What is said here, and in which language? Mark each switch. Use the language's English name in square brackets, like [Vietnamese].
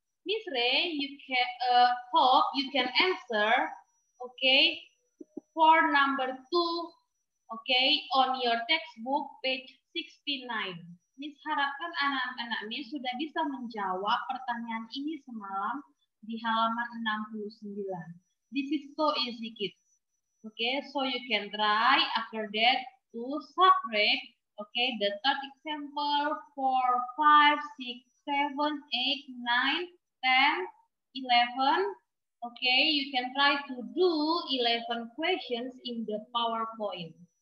[English] Miss Ray, you can hope you can answer, okay, for number 2, okay, on your textbook page 69. [Indonesian] Miss harapkan anak-anak Miss sudah bisa menjawab pertanyaan ini semalam di halaman 69. [English] This is so easy, kids. Okay, so you can try after that to subtract, okay, the third example, 4, 5, 6, 7, 8, 9, 10, 11. Okay, you can try to do 11 questions in the PowerPoint.